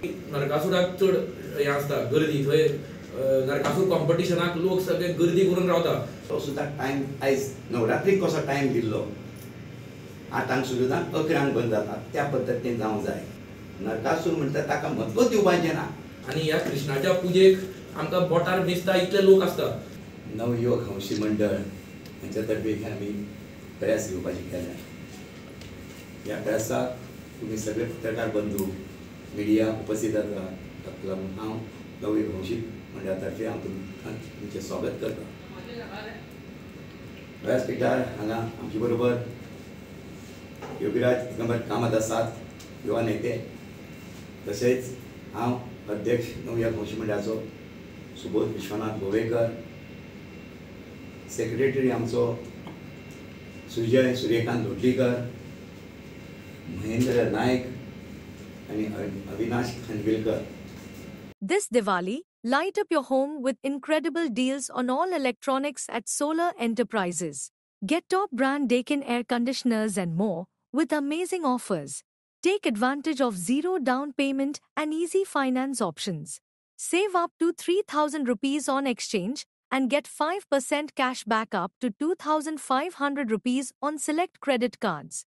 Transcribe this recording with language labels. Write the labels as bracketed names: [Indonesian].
[Konkani] नरकासुराक चड हे आसता गर्दी, थंय नरकासूर कॉम्पिटिशनाक लोक सगळे गर्दी करून रावता. तो सुद्दां टायम आयज नवरात्रीक कसो टायम दिल्लो, आतां सुद्दां 11 बंद जाता, त्या पद्दतीन जावंक जाय. नरकासूर म्हणटा ताका म्हत्व दिवपाचें ना. आनी ह्या कृष्णाच्या पुजेक आमकां बोटार दिसता इतले लोक आसता. नवयुवक हंशी मंडळ हांच्या तर्फे आमी प्रयास घेवपाचे केल्या. ह्या प्रयासाक तुमी सगळे पत्रकार बंधू मिडिया उपस्थित आसा, ताका लागून हांव नवयुवक हंशी मंडळा तर्फे हांव तुमचें स्वागत करता. व्यासपीठार हांगा आमचे बरोबर योगिराज दिगंबर कामत आसात, युवा नेते. तशेंच हांव अध्यक्ष नवयुवक हंशी मंडळाचो सुबोध विश्वनाथ गोवेकर, सेक्रेटरी आमचो सुजय सूर्यकांत लोटलीकर, महेंद्र नायक आणि अविनाश खानविलकर. [English] This Diwali light up your home with incredible deals on all electronics at Solar Enterprises. Get top brand Deccan air conditioners and more with amazing offers. Take advantage of zero down payment and easy finance options. Save up to 3,000 rupees on exchange and get 5% cash back up to 2,500 rupees on select credit cards.